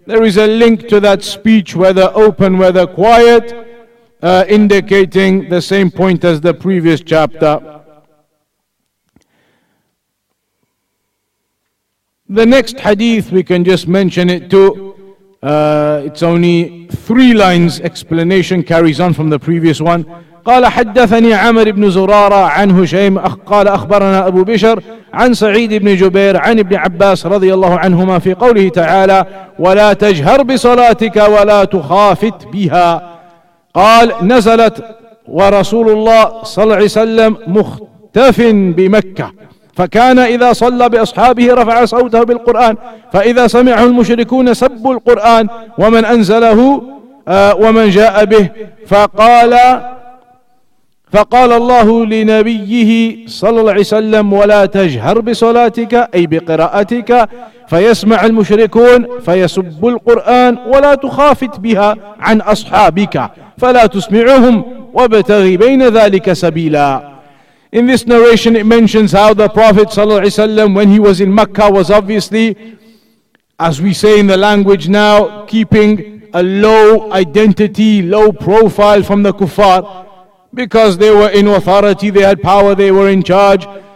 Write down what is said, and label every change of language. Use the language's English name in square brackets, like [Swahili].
[English] There is a link to that speech, whether open, whether quiet, indicating the same point as the previous chapter. The next hadith, we can just mention it too. It's only three lines, explanation carries on from the previous one. [Arabic] قال حدثني عمر بن زرارة عن هشيم قال أخبرنا أبو بشر عن سعيد بن جبير عن ابن عباس رضي الله عنهما في قوله تعالى ولا تجهر بصلاتك ولا تخافت بها قال نزلت ورسول الله صلى الله عليه وسلم مختف بمكة فكان إذا صلى بأصحابه رفع صوته بالقرآن فإذا سمعه المشركون سبوا القرآن ومن أنزله ومن جاء به فقال الله لنبيه صلى الله عليه وسلم ولا تجهر بصلاتك أي بقراءتك فيسمع المشركون فيسب القرآن ولا تخافت بها عن أصحابك فلا تسمعهم وابتغي بين ذلك سبيلا. [English] In this narration it mentions how the Prophet [Arabic] صلى الله عليه وسلم, [English] when he was in Mecca, was obviously, as we say in the language now, keeping a low identity, low profile from the kuffar, because they were in authority, they had power, they were in charge.